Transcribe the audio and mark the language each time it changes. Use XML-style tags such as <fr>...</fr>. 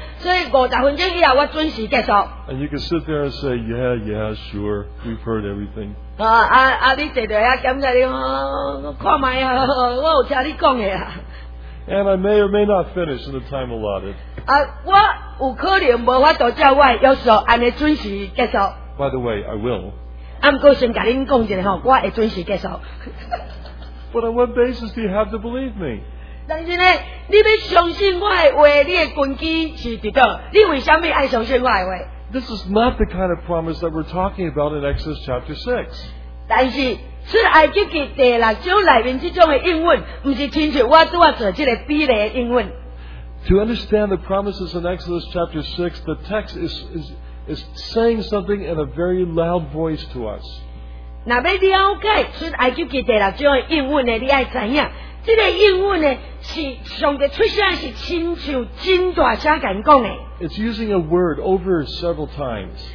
<en>And you can sit there and say, yeah, yeah, sure, we've heard everything. And I may or may not finish in the time allotted.</en> <nan>我有可能无法度照我约束安尼准时结束。</nan> <en>By the way, I will.</en> <nan>不过先甲恁讲一下吼，我会准时结束。</nan> <en>But on what basis do you have to believe me?</en> <nan>但是呢，你要相信我的话，你的根基是伫倒？你为什么爱相信我的话</nan> <en>？This is not the kind of promise that we're talking about in Exodus chapter 6.</en> <nan>但是。出埃及记第六章内面这种的应允，不是亲像我拄啊做这个比例的应允。</nan> <en>To understand the promises in Exodus chapter 6, the text is saying something in a very loud voice to us. It's using a word over several times.</en>